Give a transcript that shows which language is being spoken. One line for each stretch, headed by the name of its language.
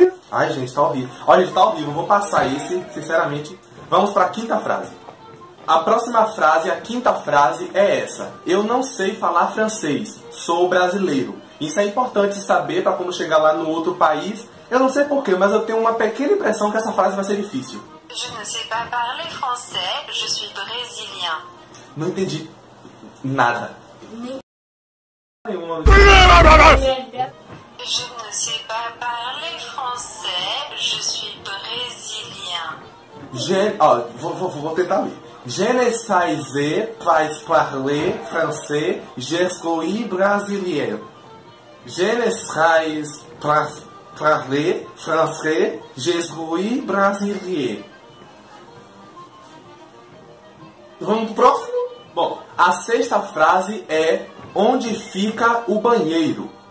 Portuguese: Ai, gente, tá horrível. Olha, gente, tá horrível. Eu vou passar esse, sinceramente. Vamos pra quinta frase. A próxima frase, a quinta frase é essa: eu não sei falar francês, sou brasileiro. Isso é importante saber pra quando chegar lá no outro país. Eu não sei porquê, mas eu tenho uma pequena impressão que essa frase vai ser difícil.
French: Je ne sais pas parler français, je suis brésilien.
Portuguese: Não entendi nada. nenhuma.
French: Je ne sais pas parler français, je suis brésilien.
Portuguese: Vou tentar ler.
French: Je ne sais pas parler français, je suis brésilien. Je ne sais pas parler français, je suis brésilien.
Portuguese: Vamos pro próximo? Bom, a sexta frase é: onde fica o banheiro?